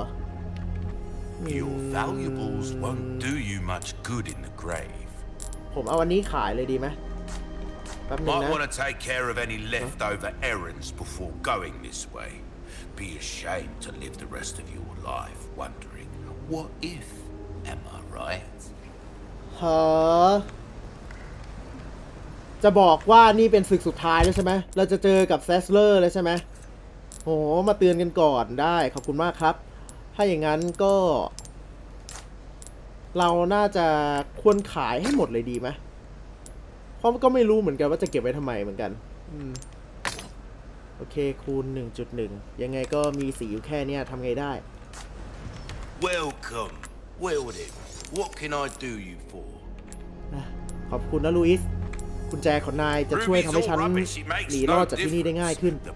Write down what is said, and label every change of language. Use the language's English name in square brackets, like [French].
[English] อ Your valuables won't do you much good in the grave [Thai] ผมเอาวันนี้ขายเลยดีไหม [English] Might want to take care of any leftover errands before going this way. be ashamed to live the rest of your life wondering, what if? Am I right? Huh? [Thai] จะบอกว่านี่เป็นศึกสุดท้ายแล้วใช่ไหมเราจะเจอกับแซสเลอร์แล้วใช่ไหมโหมาเตือนกันก่อนได้ขอบคุณมากครับถ้าอย่างนั้นก็เราน่าจะควรขายให้หมดเลยดีไหมเพราะก็ไม่รู้เหมือนกันว่าจะเก็บไว้ทำไมเหมือนกันโอเคคูณ 1.1 ยังไงก็มีสีอยู่แค่นี้ทำไงได้ [English] Welcome William What can I do you for [Thai] ขอบคุณนะลูอิสกุญแจของนายจะช่วยทำให้ฉันหนีรอดจากที่นี่ได้ง่ายขึ้น